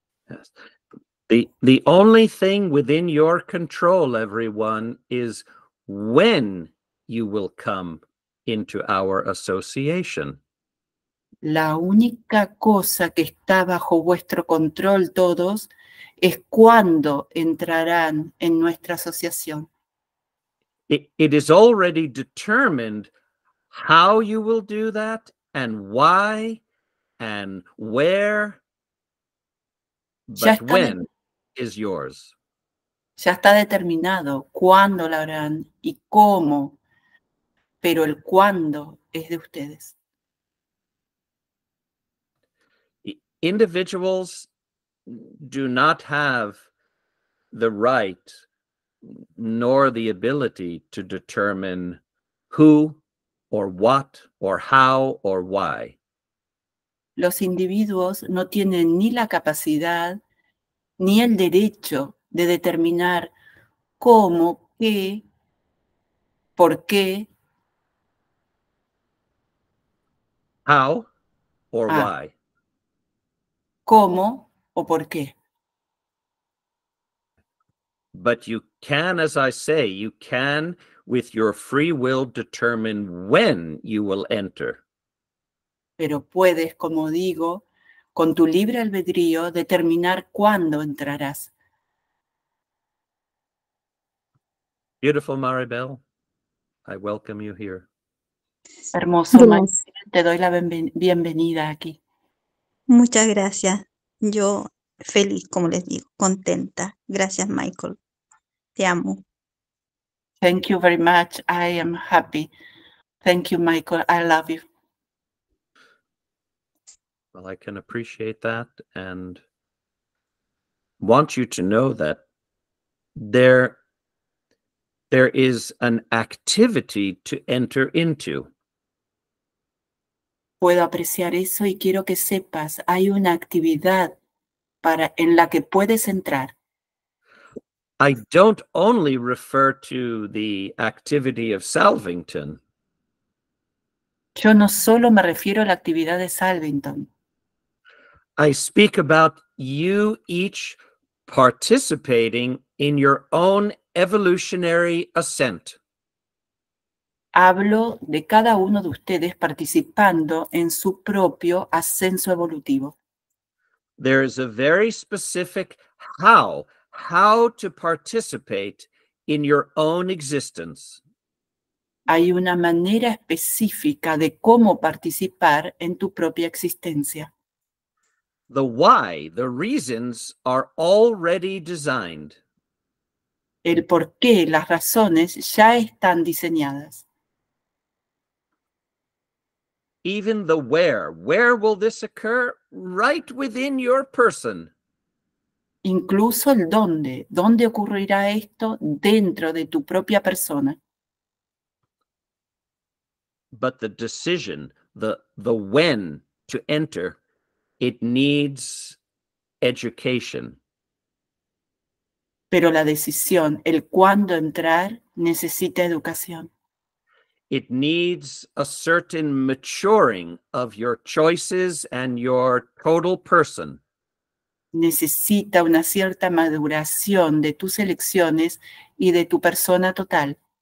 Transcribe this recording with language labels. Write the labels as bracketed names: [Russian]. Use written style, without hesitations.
[English] Yes. The only thing within your control, everyone, is when you will come into our association. [Spanish] La única cosa que está bajo vuestro control, todos, es cuando entrarán en nuestra asociación. [English] It is already determined how you will do that and why and where, but when is yours. [Spanish] Ya está determinado cuándo lo harán y cómo, pero el cuándo es de ustedes. [English] Individuals do not have the right nor the ability to determine who or what or how or why. [Spanish] Los individuos no tienen ni la capacidad ni el derecho de determinar cómo, qué, por qué. [English] How or why. [Spanish] ¿Cómo o por qué? [English] But you can, as I say, you can with your free will determine when you will enter. [Spanish] Pero puedes, como digo, con tu libre albedrío determinar cuándo entrarás. [English] Beautiful Maribel, I welcome you here. [Spanish] Hermoso Maribel, te doy la bienvenida aquí. Muchas gracias. Yo feliz, como les digo, contenta. Gracias, Michael. Te amo. [English] Thank you very much. I am happy. Thank you, Michael. I love you. Well, I can appreciate that and want you to know that there is an activity to enter into. [Spanish] Puedo apreciar eso y quiero que sepas, hay una actividad para en la que puedes entrar. [English] I don't only refer to the activity of Salvington. [Spanish] Yo no solo me refiero a la actividad de Salvington. [English] I speak about you each participating in your own evolutionary ascent. [Spanish] Hablo de cada uno de ustedes participando en su propio ascenso evolutivo. [English] There is a very specific how to participate in your own existence. [Spanish] Hay una manera específica de cómo participar en tu propia existencia. [English] The why, the reasons are already designed. [Spanish] El por qué, las razones ya están diseñadas. [English] Even the where will this occur? Right within your person. [Spanish] Incluso el dónde ocurrirá esto dentro de tu propia persona. [English] But the decision, the when to enter, it needs education. [Spanish] Pero la decisión, el cuándo entrar, necesita educación. [English] It needs a certain maturing of your choices and your total person. [Spanish] Necesita una cierta maduración de tus elecciones y de tu persona total.